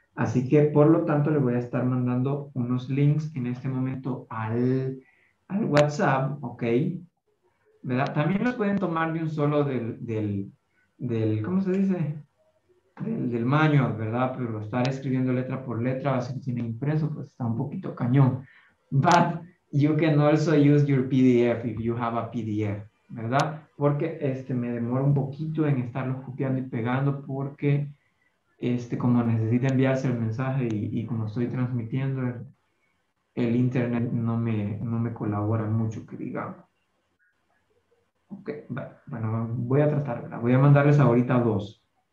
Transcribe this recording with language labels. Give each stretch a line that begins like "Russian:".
Spanish: Así que, por lo tanto, le voy a estar mandando unos links en este momento al WhatsApp, ¿ok? ¿Verdad? También los pueden tomar de un solo del ¿cómo se dice? Del manual, ¿verdad? Pero estar escribiendo letra por letra, así que tiene impreso, pues está un poquito cañón.
English: But you can also use your PDF if you have a PDF.
Spanish: ¿Verdad? Porque me demoro un poquito en estarlo copiando y pegando porque como necesito enviarse el mensaje y como estoy transmitiendo el internet no me colabora mucho, que digamos. Ok, bueno, voy a tratar, ¿verdad? Voy a mandarles ahorita dos.